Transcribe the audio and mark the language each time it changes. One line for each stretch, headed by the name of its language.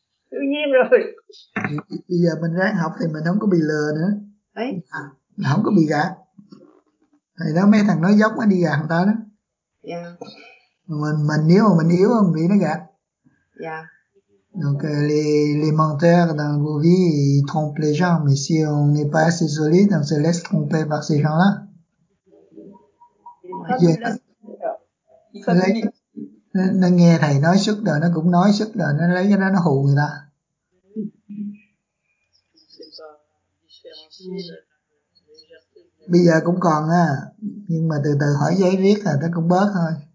Vietnamese: Tự nhiên rồi. Bây giờ mình ráng học thì mình không có bị lừa nữa. Đấy. Không có bị gạt. Thì đó mấy thằng nói dốc nó đi gạt người ta đó. Dạ. Mình nếu mà mình yếu không bị nó gạt. Dạ.
French: Donc les menteurs dans vos vies, ils trompent les gens, mais si on n'est pas assez solide, on se laisse tromper par ces gens-là. Il y a,
Vietnamese: nó nghe thầy nói sức rồi, nó cũng nói sức rồi, nó lấy cái đó nó hù người ta. Bây giờ cũng còn á, nhưng mà từ từ hỏi giấy riết là nó cũng bớt thôi.